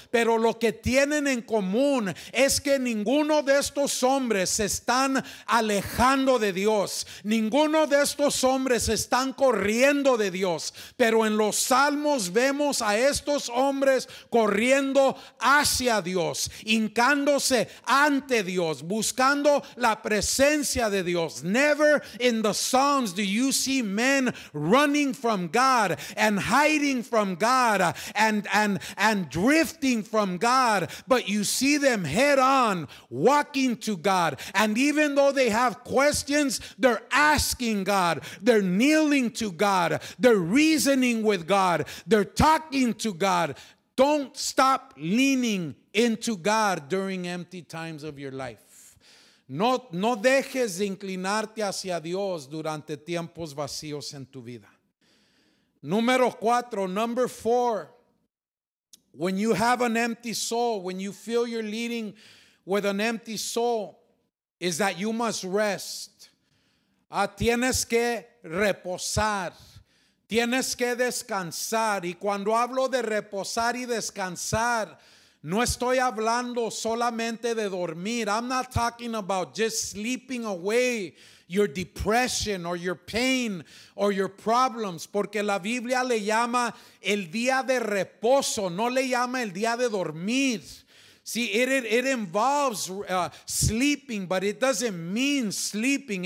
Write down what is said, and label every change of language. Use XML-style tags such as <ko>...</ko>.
<es>Pero lo que tienen en común es que ninguno de estos hombres se están alejando de Dios. Ninguno de estos hombres están corriendo de Dios. Pero en los Salmos vemos a estos hombres corriendo hacia Dios, hincándose ante Dios, buscando la presencia de Dios.</es> <en>Never in the Psalms do you see men running from God and hiding from God and drifting from God, but you see them head on walking to God. And even though they have questions, they're asking God, they're kneeling to God, they're reasoning with God, they're talking to God. Don't stop leaning into God during empty times of your life.</en> <es>No dejes de inclinarte hacia Dios durante tiempos vacíos en tu vida.</es> <en>Number four, when you have an empty soul, when you feel you're leading with an empty soul, is that you must rest.</en> <es>Tienes que reposar. Tienes que descansar. Y cuando hablo de reposar y descansar, no estoy hablando solamente de dormir.</es> <en>I'm not talking about just sleeping away your depression or your pain or your problems.</en> <es>Porque la Biblia le llama el día de reposo, no le llama el día de dormir.</es> <en>See, it involves sleeping, but it doesn't mean sleeping.</en>